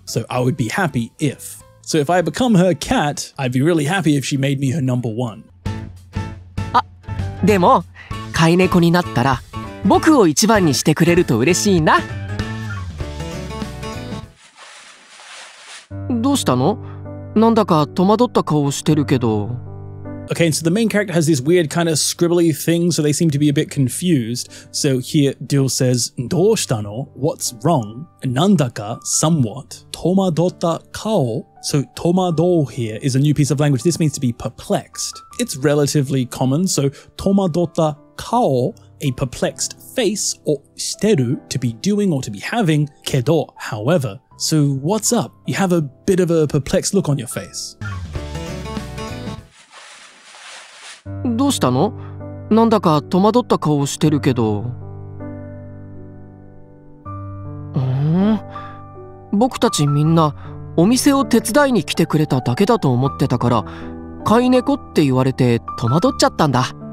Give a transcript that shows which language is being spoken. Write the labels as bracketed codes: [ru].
[en] So I would be happy if. So if I become her cat, I'd be really happy if she made me her number one. [ja] あ、でも、飼い猫になったら、僕を一番にしてくれると嬉しいな。どうしたの?なんだか戸惑った顔をしてるけど。 [en] Okay, so the main character has this weird kind of scribbly thing, so they seem to be a bit confused. So here, Dil says, [ja] どうしたの? [en] What's wrong? [ja] なんだか [en] somewhat. [ja] 戸惑った顔? [en] So 戸惑う here is a new piece of language. This means to be perplexed. It's relatively common, so [ja] 戸惑った顔 [en] A perplexed face, or steru, to be doing or to be having, kedo, however. So what's up? You have a bit of a perplexed look on your face. [ja] どうしたの? なんだか戸惑った顔をしてるけど。僕たちみんなお店を手伝いに来てくれただけだと思ってたから、赤い猫って言われて戸惑っちゃったんだ。